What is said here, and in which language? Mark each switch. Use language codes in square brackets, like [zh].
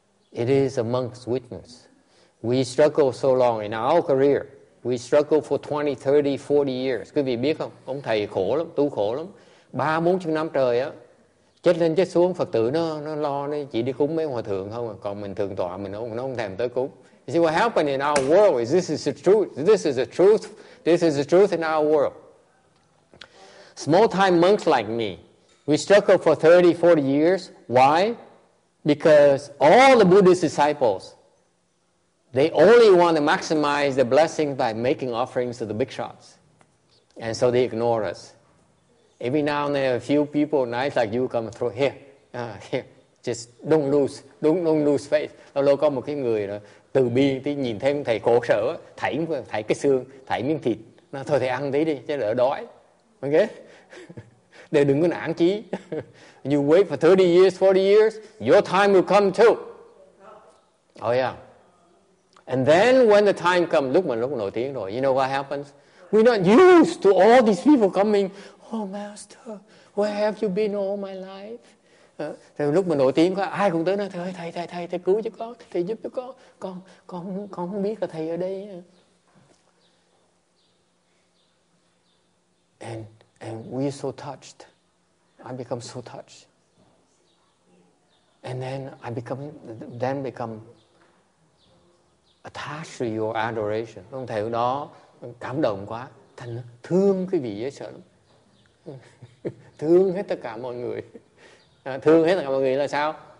[en] It is a monk's witness. We struggle so long in our career. We struggle for 20, 30, 40 years. [vi] Quý vị biết không? Ông thầy khổ lắm, tu khổ lắm. 3-40 năm trời á, chết lên chết xuống, Phật tử nó lo, nó chỉ đi cúng mấy hòa thượng không à. Còn mình thường tọa, mình nó không thèm tới cúng. [en] You see, what happened in our world is this is the truth. This is the truth. This is the truth in our world. Small-time monks like me, we struggle for 30, 40 years. Why? Because all the Buddhist disciples, they only want to maximize the blessing by making offerings to the big shots. And so they ignore us. Every now and then, a few people nice like you come through here. Just don't lose faith. [vi] Lâu lâu có một cái người đó, từ bi tí nhìn thấy thầy khổ sở, thảy cái xương, thảy miếng thịt. Nó thôi thầy ăn tí đi, chứ đỡ đói. Ok? Để đừng có nản chí. [en] You wait for 30 years, 40 years, your time will come too. Oh yeah. And then when the time comes, [vi] lúc nổi tiếng rồi, [en] you know what happens? We're not used to all these people coming. Oh master, where have you been all my life? [vi] Thì lúc mà nổi tiếng quá, ai cũng tới nói thầy cứu cho con, thầy giúp cho con không biết là thầy ở đây. [en] And we are so touched. I become so touched. And then I become attached to your adoration. [vi] Ông thầy đó cảm động quá, thành thương quý vị dễ sợ lắm. Thương hết tất cả mọi người. Thương hết tất cả mọi người là sao?